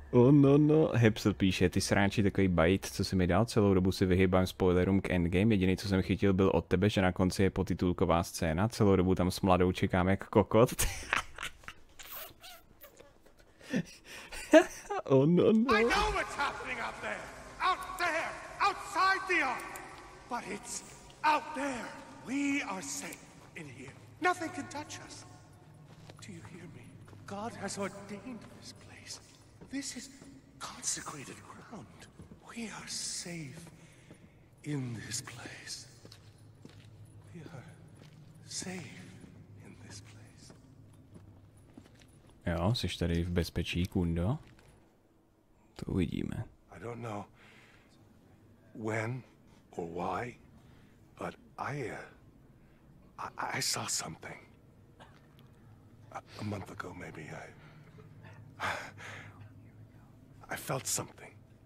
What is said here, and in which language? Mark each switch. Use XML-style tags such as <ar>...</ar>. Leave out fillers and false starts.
<cs>No, Hepsel píše, ty sráči, takový bajt, co si mi dal, celou dobu si vyhýbám spoilerům k Endgame, jediný, co jsem chytil, byl od tebe, že na konci je potitulková scéna, celou dobu tam s mladou čekám jak kokot.</cs> <en>Oh, no. I know what's happening out there! Out there! Outside the Ark! But it's out there! We are safe in here. Nothing can touch us. Do you hear me? God has ordained this place. This is consecrated ground. We are safe in this place. We are safe in this place.</en> <cs>Jo, jsi tady v bezpečí, Kundo? To uvidíme.</cs> <en>I don't know when or why, but I saw something. A month ago, maybe, I felt something.</en>